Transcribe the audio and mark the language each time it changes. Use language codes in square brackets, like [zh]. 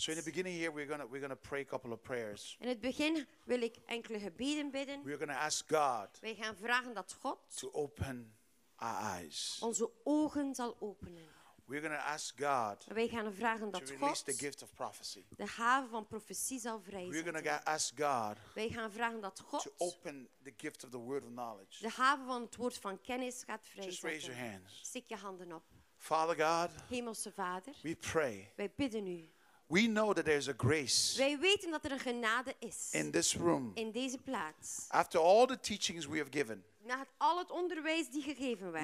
[en] So in the beginning here we're gonna pray a couple of prayers. [nl] In het begin wil ik enkele gebeden bidden. [en] We're gonna ask God. [nl] Wij gaan vragen dat God [en] to open our eyes. [nl] Onze ogen zal openen. [en] We're gonna ask God. [nl] Wij gaan vragen dat [en] to God release the gift of prophecy. [nl] De gave van profetie zal vrijzetten. [en] We're gonna ask God. [nl] Wij gaan vragen dat God [en] to open the gift of the word of knowledge. [nl] De gave van het woord van kennis gaat vrijzetten. [en] Just raise your hands. [nl] Steek je handen op. [en] Father God, [nl] Hemelse Vader, [en] we pray. [nl] Wij bidden u. [en] We know that there is a grace. [nl] Wij weten dat er een genade is. [en] In this room. [nl] In deze plaats. [en] After all the teachings we have given. [nl] Na al het onderwijs die gegeven werd.